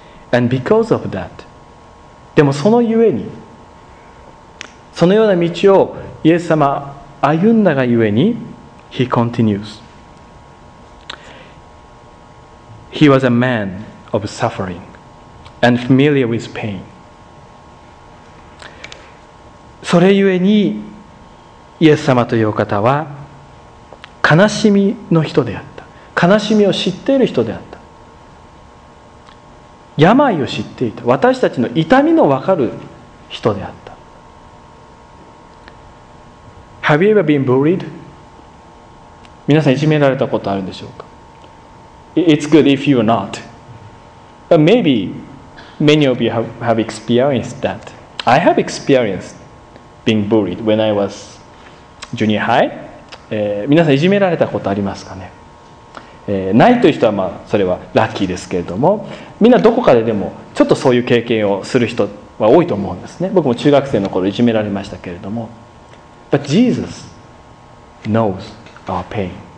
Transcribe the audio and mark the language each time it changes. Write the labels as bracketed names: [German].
[English] And because of that, [Japanese] でもそのゆえに、そのような道をイエス様歩んだがゆえに、 [English] He continues. He was a man of suffering and familiar with pain. [Japanese] それゆえにイエス様というお方は悲しみの人であった。悲しみを知っている人であった。病を知っていた。私たちの痛みの分かる人であった。 [English] Have you ever been bullied? [Japanese] 皆さんいじめられたことあるんでしょうか? [English] It's good if you're not. But maybe many of you have experienced that. I have experienced being bullied when I was junior high. [Japanese] 皆さんいじめられたことありますかね?ないという人はまあそれはラッキーですけれども、みんなどこかででもちょっとそういう経験をする人は多いと思うんですね。僕も中学生の頃いじめられましたけれども、 [English] But Jesus knows our pain.